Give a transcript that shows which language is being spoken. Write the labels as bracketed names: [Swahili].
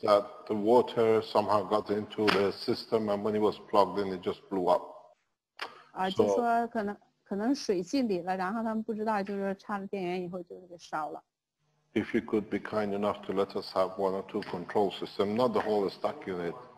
[English] that the water somehow got into the system, and when it was plugged in, it just blew up. [Chinese] 就说可能水进里了，然后他们不知道，就是插了电源以后就给烧了。 [English] If you could be kind enough to let us have one or two control systems, not the whole stack unit.